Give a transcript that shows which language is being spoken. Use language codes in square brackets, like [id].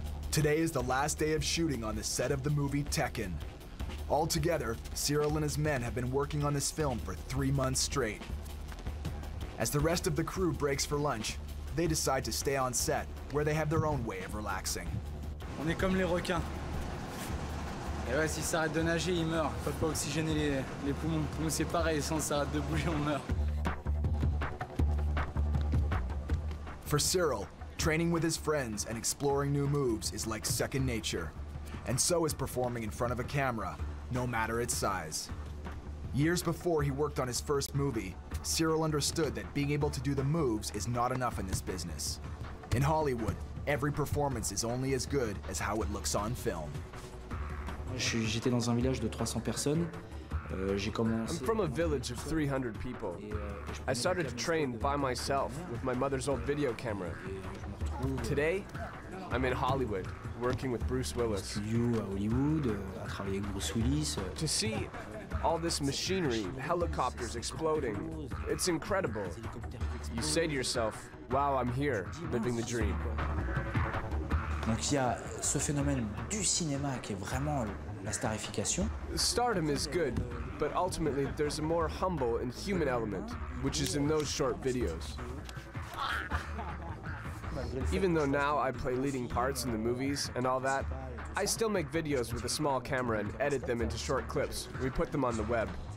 [en] Today is the last day of shooting on the set of the movie Tekken. Altogether, Cyril and his men have been working on this film for 3 months straight. As the rest of the crew breaks for lunch, they decide to stay on set, where they have their own way of relaxing. [fr] On est comme les requins. Et ouais, s'il s'arrête de nager, il meurt. Faut pas oxygéner les poumons. Nous, c'est pareil, si on s'arrête de bouger, on meurt. [en] For Cyril, training with his friends and exploring new moves is like second nature. And so is performing in front of a camera, no matter its size. Years before he worked on his first movie, Cyril understood that being able to do the moves is not enough in this business. In Hollywood, every performance is only as good as how it looks on film. [fr] J'étais dans un village de 300 personnes. J'ai commencé. [en] I'm from a village of 300 people. I started to train by myself with my mother's old video camera. Today, I'm in Hollywood, working with Bruce Willis. [fr] Studio à Hollywood, à travailler avec Bruce Willis. [en] To see all this machinery, helicopters exploding, it's incredible. You say to yourself, wow, I'm here, living the dream. [fr] Donc il y a ce phénomène du cinéma qui est vraiment la starification. [en] Stardom is good, but ultimately there's a more humble and human element, which is in those short videos. Even though now I play leading parts in the movies and all that, I still make videos with a small camera and edit them into short clips. We put them on the web.